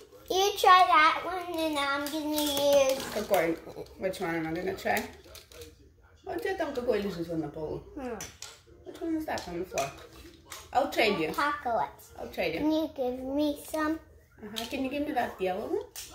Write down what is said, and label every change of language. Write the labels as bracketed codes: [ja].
[en] You try that one, and I'm gonna use. [ru] Какой? [en] Which one am I gonna try? [ru] А у тебя там какой лежит на полу? [en] Which one is that on the floor? I'll trade Apocalypse. You. Apocalypse. I'll trade you. Can you give me some? Uh-huh. Can you give me that yellow one?